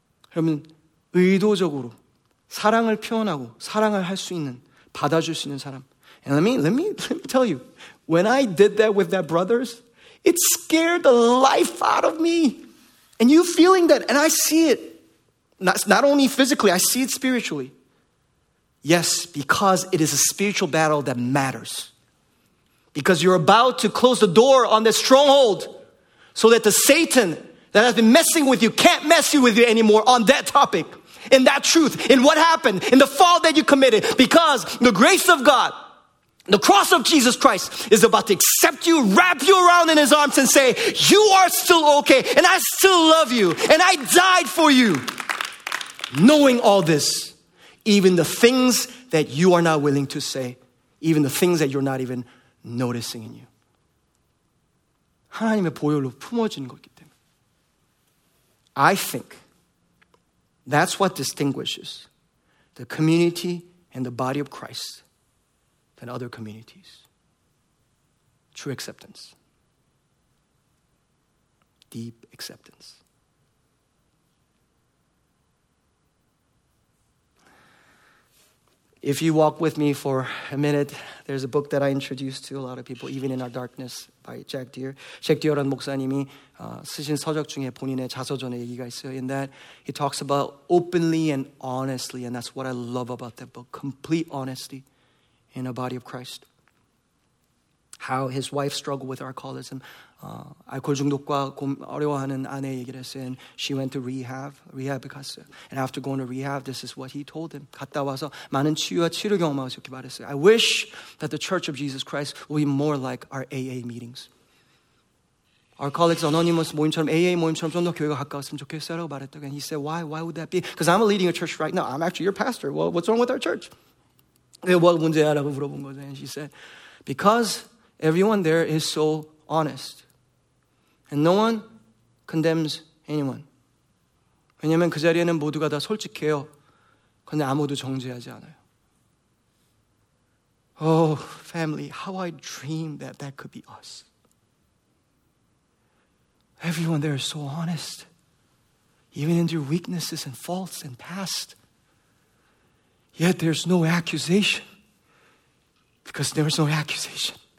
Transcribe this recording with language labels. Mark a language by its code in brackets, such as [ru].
[ko] 그러면 의도적으로 사랑을 표현하고 사랑을 할 수 있는 받아줄 수 있는 사람. [en] And let me tell you, when I did that with that brothers, it scared the life out of me. And you feeling that, and I see it. Not only physically, I see it spiritually. Yes, because it is a spiritual battle that matters. Because you're about to close the door on that stronghold so that the Satan that has been messing with you can't mess with you anymore on that topic. In that truth, in what happened, in the fault that you committed, because the grace of God, the cross of Jesus Christ is about to accept you, wrap you around in his arms and say, you are still okay and I still love you and I died for you. Knowing all this, even the things that you are not willing to say, even the things that you're not even noticing in you. [ko] 하나님의 보혈로 품어진 것이기 때문에. [en] I think that's what distinguishes the community and the body of Christ than other communities. True acceptance. Deep acceptance. 'If you walk with me for a minute, there's a book that I introduced to a lot of people, Even in Our Darkness by Jack Deere. [ko] Jack Deere라는 목사님이 쓰신 서적 중에 본인의 자서전에 얘기가 있어요. [en] In that, he talks about openly and honestly, and that's what I love about that book, complete honesty in a body of Christ. How his wife struggled with alcoholism. [ko] 알코올 중독과 어려워하는 아내 얘기를 했어요. [en] And she went to rehab. [ko] Rehab 갔어요. [en] And after going to rehab, this is what he told him. [ko] 갔다 와서 많은 치유와 치료 경험하고 이렇게 말했어요. [en] I wish that the Church of Jesus Christ will be more like our AA meetings. [ko] Alcoholics Anonymous 모임처럼 AA 모임처럼 좀 더 교회가 가까웠으면 좋겠어요. 라고 말했더니 [en] he said, why would that be? Because I'm leading a church right now. I'm actually your pastor. Well, what's wrong with our church? [ko] 그게 뭐 문제야? 라고 물어본 거죠. [en] And she said, because everyone there is so honest. And no one condemns anyone. [ko] 왜냐면 그 자리에는 모두가 다 솔직해요. 근데 아무도 정죄하지 않아요. [en] Oh, family, how I dream that that could be us. Everyone there is so honest. Even in their weaknesses and faults and past. Yet there's no accusation. Because there is no accusation.